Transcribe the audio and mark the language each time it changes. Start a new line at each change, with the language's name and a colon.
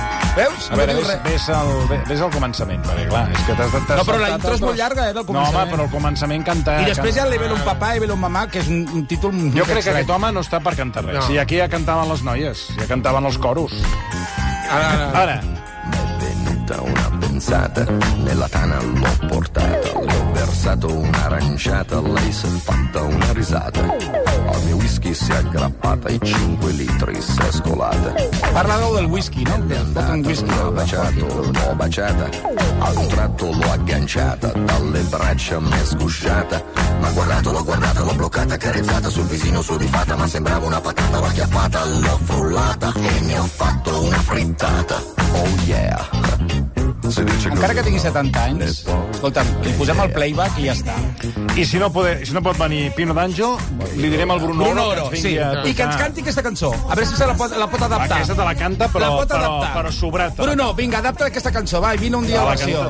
Catalan: Veus? A veure, ves el començament, perquè clar, és que t'has saltat... No, però la intro és molt llarga, del començament. No, home, però el començament canta... I després ja li ve un papà i ve un mamà, que és un títol... Jo crec que aquest home no està per cantar res. Si aquí ja cantaven les noies, ja cantaven els coros. Ara.
Italian: Una pensata nella tana l'ho portata, l'ho versato un'aranciata, lei s'è fatta una risata, al mio whisky si è aggrappata e 5 litri si è scolata. Parlavo del whisky, no? Andato, un whisky. L'ho baciata, a un tratto l'ho agganciata, dalle braccia mi è sgusciata, ma guardata, l'ho bloccata, carezzata, sul visino sudifata, ma sembrava una patata, l'ho acchiappata, l'ho frullata e ne ho fatto una frittata. Oh yeah.
Catalan: Encara que tingui 70 anys, escolta'm, li posem el playback i ja està. I si no, poder, si no pot venir Pino D'Anjo, li direm al Bruno Oro. Sí. I que ens canti aquesta cançó. A veure si se la pot adaptar. Aquesta te la canta, però sobrat. Bruno, vinga, adapta aquesta cançó, va, i vine un dia a l'acció.